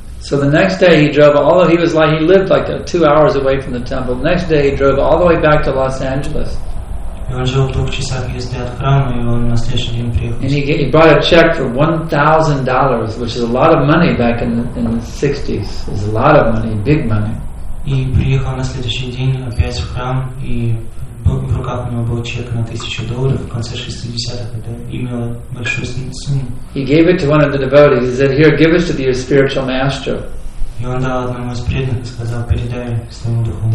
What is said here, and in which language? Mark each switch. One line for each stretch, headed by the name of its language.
English: So the next day he drove, although he was like, he lived like 2 hours away from the temple. The next day he drove all the way back to Los Angeles.
Russian: И он жил в 2 часах езды от храма, и он на следующий день приехал.
English: And he brought a check for $1,000, which is a lot of money back in the 60s. It's a lot of money, big money.
Russian: И приехал на следующий день опять в храм, и в руках у него был чек на $1000 в конце 60-х, это имело большую сумму.
English: He gave it to one of the devotees. He said, "Here, give it to your spiritual master."
Russian: И он дал одному из преданных и сказал, передай своему духовному.